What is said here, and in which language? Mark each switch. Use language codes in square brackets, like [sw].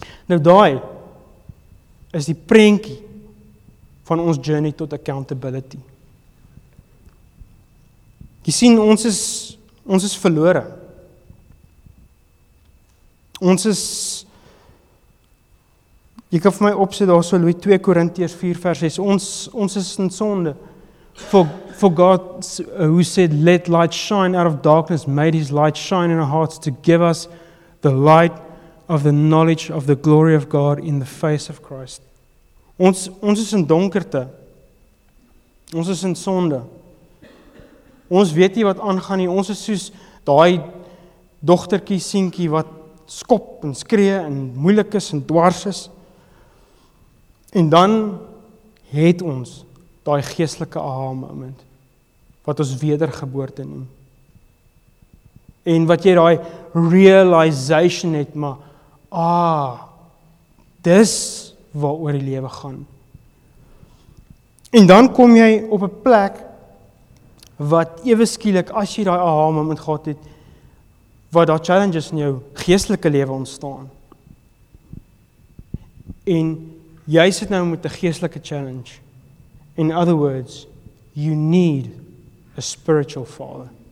[af] Nou daai, is die prentjie, van ons journey tot accountability. Jy sien, ons is verlore. Ons is, jy kan vir my opsit, daar so 2 Korintiërs 4 vers 6, ons is in sonde. [en] For God who said, let light shine out of darkness, made his light shine in our hearts to give us the light of the knowledge of the glory of God in the face of Christ. [af] Ons is in donkerte. Ons is in sonde. Ons weet nie wat aangaan nie, ons is soos daai dogtertjie, seentjie wat skop en skree en moeilik is en dwars is. En dan het ons daai geestelike aha moment, wat ons wedergeboorte noem. En wat jy daai realization het, maar, dis waar oor die lewe gaan. En dan kom jy op 'n plek, wat ewe skielik, as jy daai aha moment gehad het, wat daar challenges in jou geestelike lewe ontstaan. En jy sit nou met 'n geestelike challenge. [en] In other words, you need a spiritual father.